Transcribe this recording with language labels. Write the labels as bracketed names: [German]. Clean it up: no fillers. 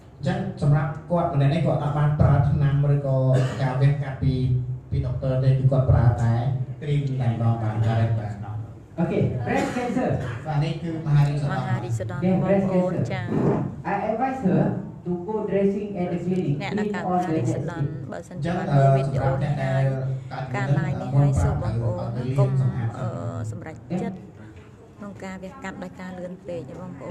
[Khmer] ចាំសម្រាប់គាត់ម្នាក់នេះគាត់អាចបានប្រើថ្នាំឬក៏ការវះកាត់ពីដុកទ័រទេគឺគាត់ប្រើតែគ្រីមតែម្ដងបាទអរេបាទ [English] អូខេ breast cancer [Khmer] បាទនេះគឺមហារីសដង មហារីសដងបងអូនចា [English] I advise herto go dressing at the clinic [Khmer] អ្នកនៅកាលនេះសិនដល់បើសិនជា មានវីដេអូដែល កាត់ឡាយនេះឲ្យសួរបងប្អូនកុំសម្រាប់ចិត្តក្នុងការវាកាត់ដោយការលឿនពេកបងប្អូន